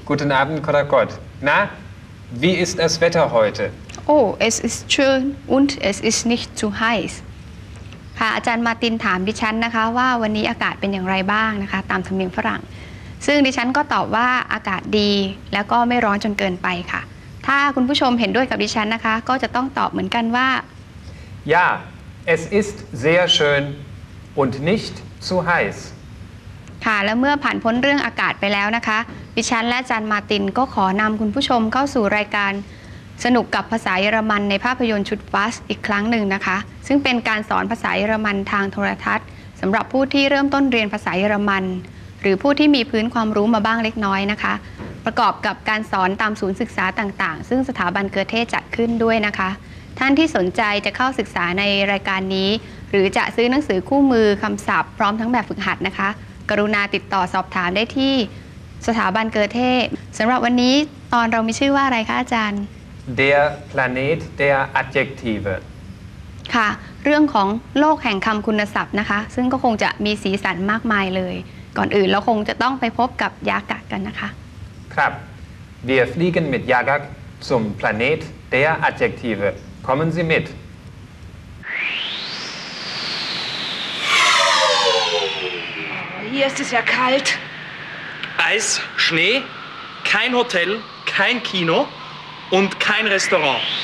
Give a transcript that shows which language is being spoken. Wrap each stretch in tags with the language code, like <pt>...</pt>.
<de>Guten Abend Karagott Na Wie ist das Wetter heute Oh es ist schön und es ist nicht zu heiß</de> <th>ค่ะอาจารย์มาร์ตินถามดิฉันนะคะว่าวันนี้อากาศเป็นอย่างไรบ้างนะคะตามธรรมเนียมฝรั่งซึ่งดิฉันก็ตอบว่าอากาศดีแล้วก็ไม่ร้อนจนเกินไปค่ะถ้าคุณผู้ชมเห็นด้วยกับดิฉันนะคะก็จะต้องตอบเหมือนกันว่า</th> <de>Ja es ist sehr schön und nicht zu heiß</de> <th>ค่ะแล้วเมื่อผ่านพ้นเรื่องอากาศไปแล้วนะคะดิฉันและอาจารย์มาร์ตินก็ขอนำคุณผู้ชมเข้าสู่รายการสนุกกับภาษาเยอรมันในภาพยนตร์ชุดฟาสต์อีกครั้งหนึ่งนะคะซึ่งเป็นการสอนภาษาเยอรมันทางโทรทัศน์สำหรับผู้ที่เริ่มต้นเรียนภาษาเยอรมัน หรือผู้ที่มีพื้นความรู้มาบ้างเล็กน้อยนะคะประกอบกับการสอนตามศูนย์ศึกษาต่างๆซึ่งสถาบันเกอเทจัดขึ้นด้วยนะคะท่านที่สนใจจะเข้าศึกษาในรายการนี้หรือจะซื้อหนังสือคู่มือคำศัพท์พร้อมทั้งแบบฝึกหัดนะคะกรุณาติดต่อสอบถามได้ที่สถาบันเกอเทสำหรับวันนี้ตอนเรามีชื่อว่าอะไรคะอาจารย์</th> <de>Der Planet der Adjektive</de> <th>ค่ะเรื่องของโลกแห่งคำคุณศัพท์นะคะซึ่งก็คงจะมีสีสันมากมายเลยก่อนอื่นเราคงจะต้องไปพบกับยากะกันนะคะ</th> <de>ครับ Wir fliegen mit Jagak zum Planet der Adjektive Kommen Sie mit Hier ist es ja kalt. Eis, Schnee, kein Hotel, kein Kino und kein Restaurant.</de>